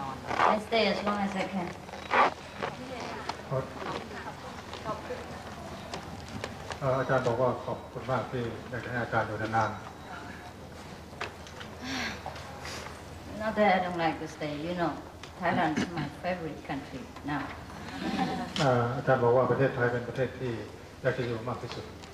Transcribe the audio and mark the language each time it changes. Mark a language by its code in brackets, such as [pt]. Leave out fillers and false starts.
[th] อาจารย์บอกว่าขอบคุณมากที่ได้ให้อาจารย์อยู่นาน [en] Not that I don't like to stay, you know, Thailand is my favorite country now. [th] อาจารย์บอกว่าประเทศไทยเป็นประเทศที่อยากจะอยู่มากที่สุด